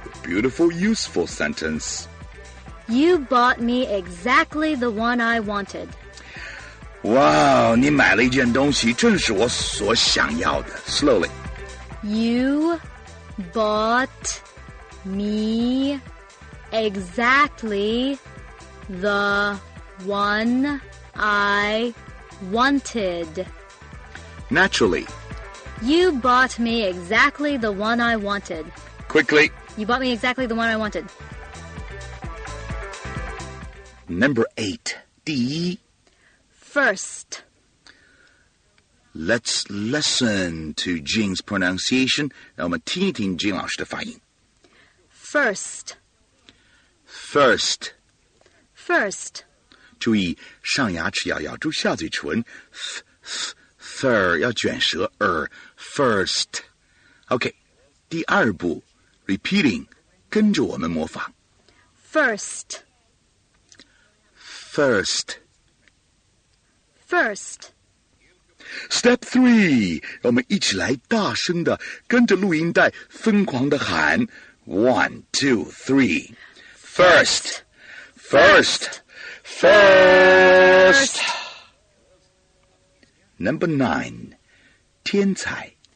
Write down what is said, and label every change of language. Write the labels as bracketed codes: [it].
[en] Beautiful, useful sentence. You bought me exactly the one I wanted. [zh] Wow, 你买了一件东西正是我所想要的. [en] Slowly. You bought me exactly the one I wanted. Naturally. You bought me exactly the one I wanted. Quickly. You bought me exactly the one I wanted. Number 8, [zh] 第一. [en] First. Let's listen to Jing's pronunciation. [zh] 让我们听一听金老师的发音. [en] First. First. First. [zh] 注意上牙齿要咬住下嘴唇. Fur 要卷舌, [en] first. OK, [zh] 第二步, [en] repeating, [zh] 跟着我们模仿. [en] First. First. First. [zh] Step 3, 我们一起来大声的跟着录音带疯狂的喊 [en] 1, 2, 3 First First First Number 9 [zh] 天才